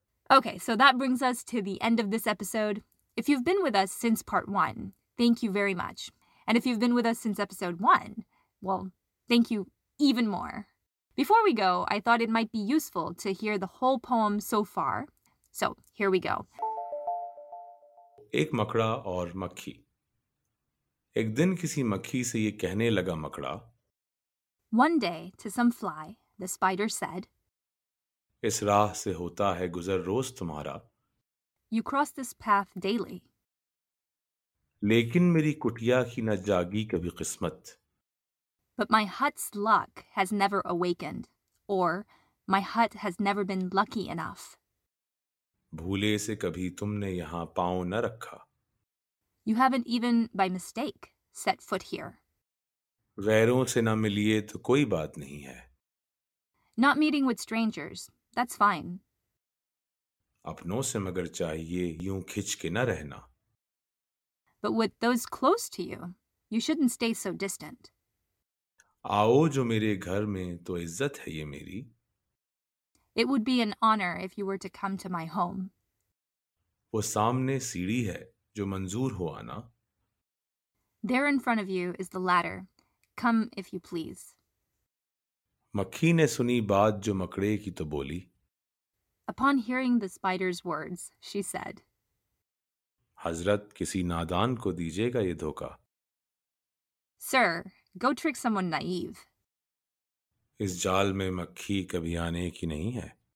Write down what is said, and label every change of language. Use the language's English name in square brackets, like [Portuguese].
[English] Okay, so that brings us to the end of this episode. If you've been with us since part one, thank you very much. And if you've been with us since episode one, well, thank you even more. Before we go, I thought it might be useful to hear the whole poem so far. So here we go. [Hindi] एक मकड़ा और मक्खी एक दिन किसी मक्खी से ये कहने लगा मकड़ा [English] One day to some fly, the spider said, [Hindi] इस राह से होता है गुजर रोज तुम्हारा [English] You cross this path daily. [Hindi] लेकिन मेरी कुटिया की न जागी कभी किस्मत [English] But my hut's luck has never awakened, or my hut has never been lucky enough. [Hindi] भूले से कभी तुमने यहाँ पाँव न रखा। [English] You haven't even by mistake set foot here. [Hindi] गैरों से न मिलिए तो कोई बात नहीं है। [English] Not meeting with strangers, that's fine. [Hindi] अपनों से मगर चाहिए यूं खिंच के न रहना। [English] But with those close to you, you shouldn't stay so distant. [Hindi] आओ जो मेरे घर में तो इज्जत है ये मेरी। [English] It would be an honor if you were to come to my home. [Hindi] वो सामने सीढ़ी है जो मंजूर हो आना। [English] There in front of you is the ladder. Come if you please. [Hindi] मक्खी ने सुनी बात जो मकड़े की तो बोली। [English] Upon hearing the spider's words, she said, [Hindi] Hazrat kisi nadan ko dijiyega ye dhoka. [English] Sir, go trick someone naive. [Hindi] Is jaal mein makhi kabhi aane ki nahi hai.